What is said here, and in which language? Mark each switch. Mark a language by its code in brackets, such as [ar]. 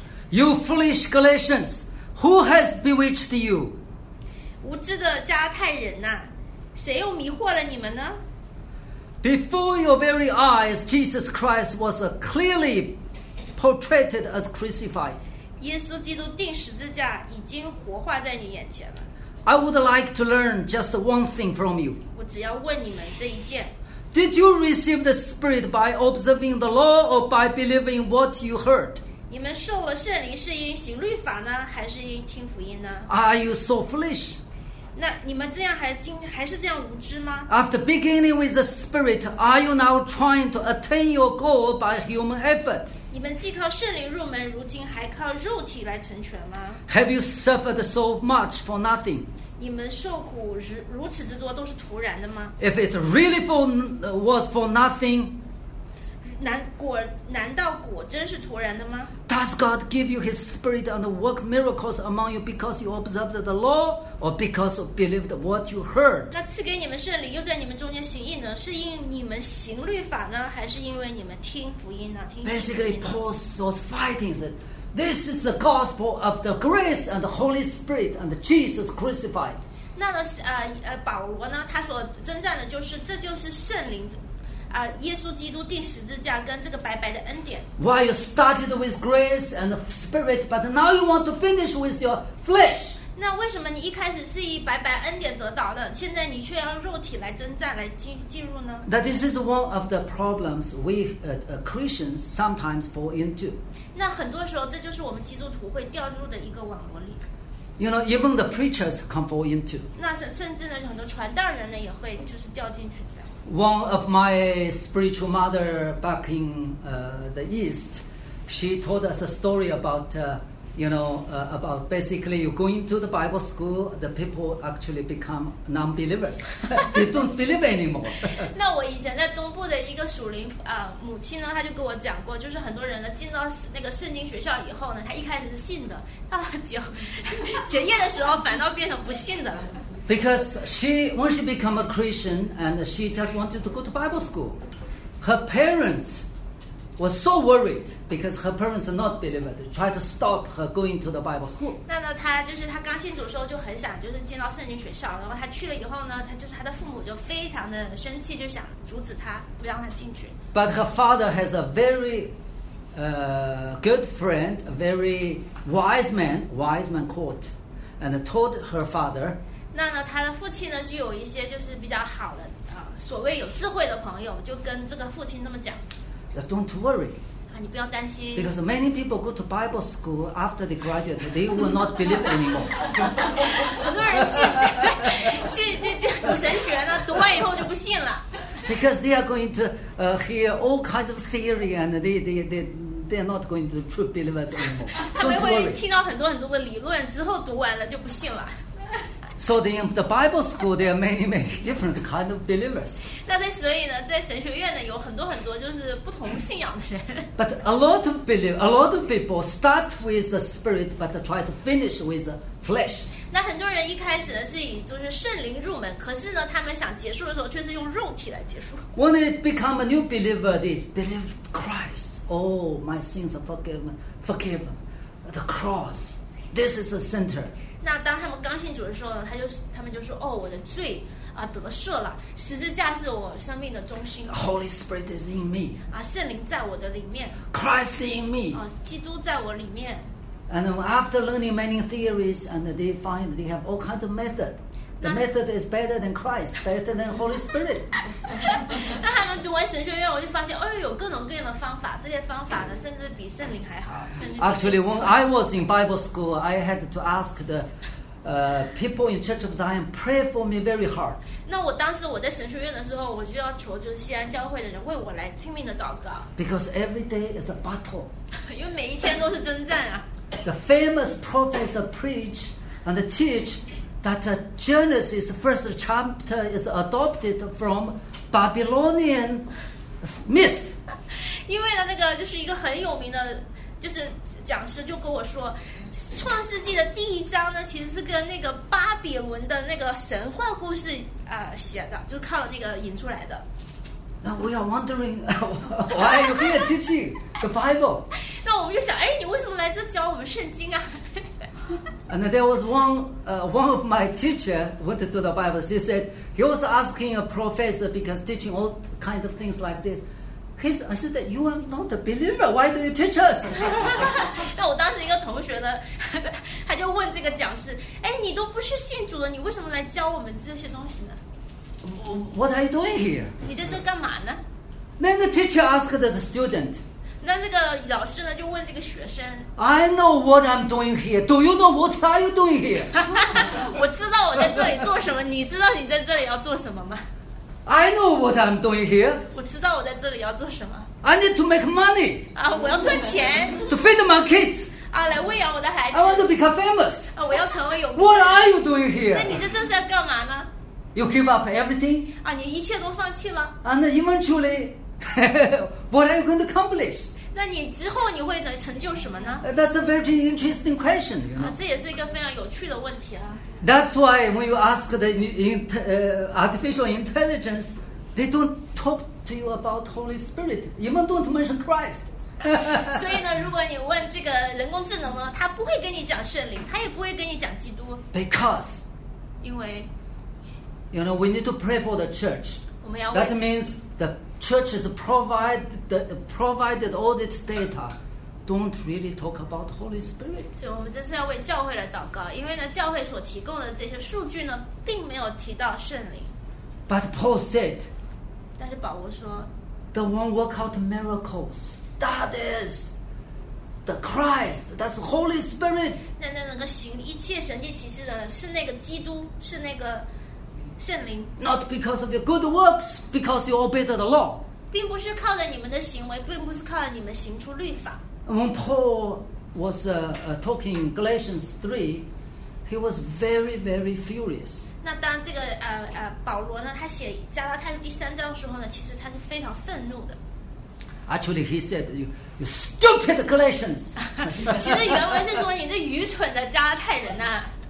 [en] You foolish Galatians, who has bewitched you? [zh] 无知的加拉太人呐，谁又迷惑了你们呢？ [en] Before your very eyes, Jesus Christ was clearly portrayed as crucified. [zh] 耶稣基督钉十字架，已经活化在你眼前了。 [en] I would like to learn just one thing from you. [zh] 我只要问你们这一件。 [en] Did you receive the Spirit by observing the law or by believing what you heard? [zh] 你们受了圣灵是因行律法呢，还是因听福音呢？ [en] Are you so foolish? [zh] 那你们这样还是这样无知吗？ [en] After beginning with the Spirit, are you now trying to attain your goal by human effort? [zh] 你们既靠圣灵入门，如今还靠肉体来成全吗？ [en] Have you suffered so much for nothing? [zh] 你们受苦如此之多都是徒然的吗？ [en] If it really was for nothing, [zh] 难道果真是徒然的吗？ [en] Does God give you his spirit and work miracles among you because you observed the law or because you believed what you heard? [zh] 那赐给你们圣灵又在你们中间行义呢，是因你们行律法呢，还是因为你们听福音呢？听福音呢？ [en] Basically, Paul was fighting thatThis is the gospel of the grace and the Holy Spirit and Jesus crucified. [zh] 那保罗呢？他所征战的就是，这就是圣灵，耶稣基督钉十字架跟这个白白的恩典。 [en] Why you started with grace and the Spirit, but now you want to finish with your flesh? [zh] 那为什么你一开始是以白白恩典得到的，现在你却要肉体来征战来进入呢？ [en] That this is one of the problems we Christians sometimes fall into. [zh] 那很多时候这就是我们基督徒会掉入的一个网络里。 [en] You know, even the preachers can fall into. [zh] 那甚至呢，很多传道人呢也会就是掉进去这样。 [en] One of my spiritual mother back in the East, she told us a story about, about basically you go into the Bible school, the people actually become non-believers. They don't believe anymore. [zh] 那我以前在东部的一个属灵母亲呢，她就跟我讲过，就是很多人呢进到那个圣经学校以后呢，他一开始是信的，到结业的时候反倒变成不信的。 [en] Because when she became a Christian and she just wanted to go to Bible school, her parents. Was so worried because her parents are not believers. Try to stop her going to the Bible school. [zh] 那呢，她就是她刚信主的时候就很想就是进到圣经学校，然后她去了以后呢，她就是她的父母就非常的生气，就想阻止她，不让她进去。 [en] But her father has a very, good friend, a very wise man called, and told her father. [zh] 那呢，她的父亲呢就有一些就是比较好的所谓有智慧的朋友，就跟这个父亲这么讲。 [en] Don't worry. [zh] 你不要担心。 [en] Because many people go to Bible school after they graduate, they will not believe anymore. [zh] 很多人进读神学呢，读完以后就不信了。 [en] Because they are going to hear all kinds of theory, and they are not going to be true believers anymore. [zh] 他们会听到很多很多的理论，之后读完了就不信了。 [en] So in the Bible school, there are many, many different kind of believers. [zh] 那在所以呢，在神学院呢，有很多很多就是不同信仰的人。 [en] But a lot of people start with the spirit, but try to finish with the flesh. [zh] 那很多人一开始呢是以就是圣灵入门，可是呢，他们想结束的时候却是用肉体来结束。 [en] When they become a new believer, they believe Christ. Oh, my sins are forgiven. The cross. This is the center. [zh] 那当他们刚信主的时候呢，他们就说：“哦，我的罪得赦了，十字架是我生命的中心。 [en] ”Holy Spirit is in me。 [zh] 圣灵在我的里面。 [en] Christ in me。 [zh] 基督在我里面。 [en] And after learning many theories, and they find they have all kinds of method. The method is better than Christ, better than Holy Spirit. [zh] 那他们读完神学院，我就发现，哦，有各种各样的方法，这些方法呢，甚至比圣灵还好。 [en] Actually, when I was in Bible school, I had to ask the people in Church of Zion pray for me very hard. [zh] 那我当时我在神学院的时候，我就要求就是西安教会的人为我来拼命的祷告。 [en] Because every day is a battle. [zh] 因为每一天都是征战啊。 [en] The famous prophets preach and teach that Genesis first chapter is adopted from Babylonian myth. [zh] 因为呢，那个就是一个很有名的，就是讲师就跟我说。创世纪的第一章呢，其实是跟那个巴比伦的那个神话故事写的，就靠那个引出来的。 [en] 那 we are wondering why you here teaching the Bible? [zh] 那我们就想，哎，你为什么来这教我们圣经啊？ [en] And there was one of my teacher went to the Bible. She said he was asking a professor because teaching all kinds of things like this. I said that you are not a believer. Why do you teach us? [zh] 那我当时一个同学呢，他就问这个讲师，哎，你都不是信主的，你为什么来教我们这些东西呢？ [en] What are you doing here? [zh] 你在这干嘛呢？ [en] Then the teacher asked the student. [zh] 那这个老师呢，就问这个学生。 [en] I know what I'm doing here. Do you know what are you doing here? [zh] 我知道我在这里做什么，你知道你在这里要做什么吗？ [en] I know what I'm doing here. [zh] 我知道我在这里要做什么。 [en] I need to make money. [zh] 啊，我要赚钱。 [en] To feed my kids. [zh] 啊，来喂养我的孩子。 [en] I want to become famous. [zh] 啊，我要成为有名。 [en] What are you doing here? [zh] 那你这正是要干嘛呢？ [en] You give up everything. [zh] 啊，你一切都放弃了。 [en] And eventually, what are you going to accomplish? [zh] 那你之后你会能成就什么呢？ [en] That's a very interesting question. You know? [zh] 啊，这也是一个非常有趣的问题啊。 [en] That's why when you ask the artificial intelligence, they don't talk to you about Holy Spirit. Even don't mention Christ. [zh] 所以呢，如果你问这个人工智能呢，它不会跟你讲圣灵，它也不会跟你讲基督。 [en] Because, [zh] 因为 [en] you know, we need to pray for the church. [zh] 我们要问 [en] That means the church is provided all its data. Don't really talk about Holy Spirit. [zh] 所以我们这次要为教会来祷告，因为呢，教会所提供的这些数据呢，并没有提到圣灵。 [en] But Paul said. [zh] 但是保罗说。 [en] The one work out miracles, that is the Christ. That's Holy Spirit. [zh] 那个行一切神迹奇事的是那个基督，是那个圣灵。 [en] Not because of your good works, because you obeyed the law. [zh] 并不是靠着你们的行为，并不是靠着你们行出律法。 [en] When Paul was talking in Galatians 3, he was very, very furious. [zh] 那当这个保罗呢，他写加拉太书第三章的时候呢，其实他是非常愤怒的。 [en] Actually, he said, "You stupid Galatians!" [zh] 其实原文是说你这愚蠢的加拉太人呐。